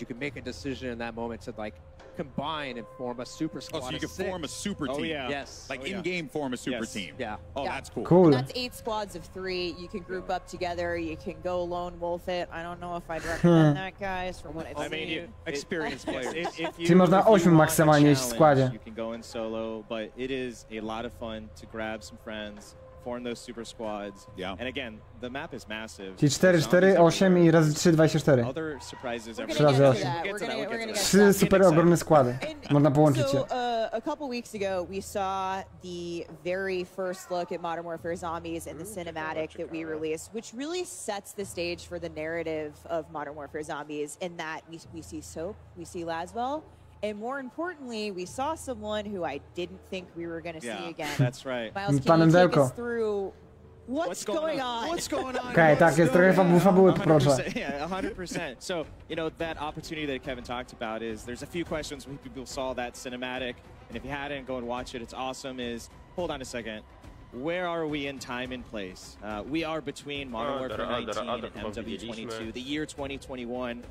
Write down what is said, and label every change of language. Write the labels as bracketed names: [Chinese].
[English] You can make a decision in that moment to, like, combine and form a super squad. Oh, so you can form a super team. Oh, yeah. Yes. Like, oh, yeah. In-game form a super team. Yeah. Oh, yeah. That's cool. And that's 8 squads of 3. You can group up together. You can go lone wolf it. I don't know if I'd recommend that, guys, from what I've seen. I mean, experienced players. [Polish] Czyli można 8 maksymalnie w składzie. [English] You can go in solo, but it is a lot of fun to grab some friends, form those super squads. Yeah. And again, the map is massive. [Polish] Czyli 4-4, 8 i razy 3, 24. [English] Other surprises every [Polish] 3 razy 8. 3 super ogromne składy. Można połączyć je. [English] So, a couple weeks ago, we saw the very first look at Modern Warfare Zombies and the cinematic that we released, which really sets the stage for the narrative of Modern Warfare Zombies, in that we see Soap, we see Laswell, and more importantly, we saw someone who I didn't think we were going to see again. That's right. Miles, can you take us through what's going on? [Polish] Okay, tak, jest trochę fabuły, proszę. [English] Yeah, 100%. So, you know, that opportunity that Kevin talked about is, there's a few questions when people saw that cinematic, and if you hadn't, go and watch it, it's awesome, is, hold on a second, where are we in time and place? We are between Modern Warfare 19 and MW22, the year 2021.